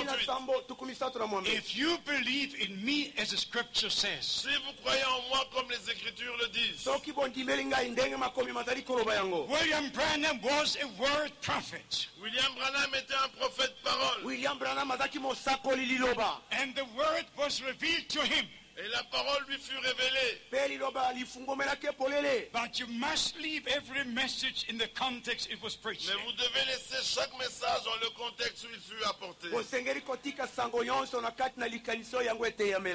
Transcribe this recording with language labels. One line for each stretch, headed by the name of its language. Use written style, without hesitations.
English: If you believe in me as the scripture says,
French: si vous croyez en moi comme les écritures le disent,
English: William Branham was a word prophet.
French: William Branham était un prophète parole.
Lingala: William Branham azaki mosako liloba.
English: And the word was revealed to him.
French: Et la parole lui fut révélée.
English: But you must leave every message in the context it was preached.
French: Mais vous devez laisser chaque message dans le contexte où il fut apporté.